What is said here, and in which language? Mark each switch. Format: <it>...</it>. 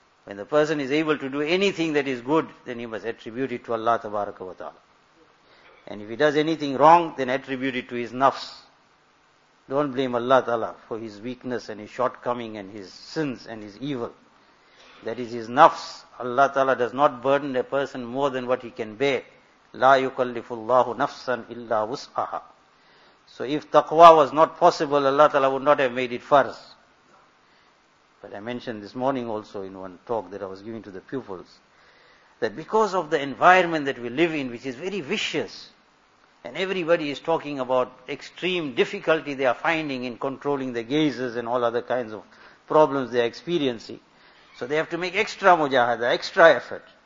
<en>When the person is able to do anything that is good, then he must attribute it to Allah Tabaraka wa Ta'ala. And if he does anything wrong, then attribute it to his nafs. Don't blame Allah Ta'ala for his weakness and his shortcoming and his sins and his evil. That is his nafs. Allah Ta'ala does not burden a person more than what he can bear.</en> <ar>لا يكلف الله نفسا إلا وسعها.</ar> <en>So if taqwa was not possible, Allah Ta'ala would not have made it farz. But I mentioned this morning also in one talk that I was giving to the pupils, that because of the environment that we live in, which is very vicious, and everybody is talking about extreme difficulty they are finding in controlling the gazes and all other kinds of problems they are experiencing, so they have to make extra mujahada, extra effort.</en>